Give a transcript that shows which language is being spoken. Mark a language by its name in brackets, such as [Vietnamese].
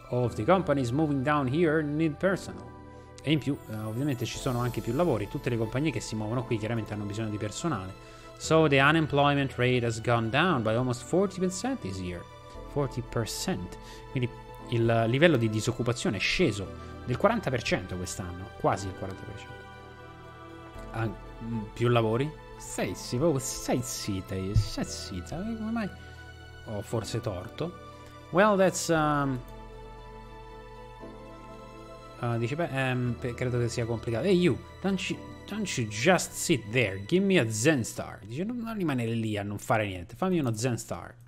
[English] All of the companies moving down here need personnel. [Italian] E in più, ovviamente ci sono anche più lavori. Tutte le compagnie che si muovono qui chiaramente hanno bisogno di personale. [English] So the unemployment rate has gone down by almost 40% this year. [Italian] 40%. Quindi il livello di disoccupazione è sceso del 40% quest'anno. Quasi il 40%. Più lavori? Sei zitta, come mai? Ho forse torto. [English] Well, that's [Italian] dice, credo che sia complicato. [English] Hey you, don't Don't you just sit there, give me a Zen Star. [Italian] Dice, non rimanere lì a non fare niente, fammi uno Zen Star.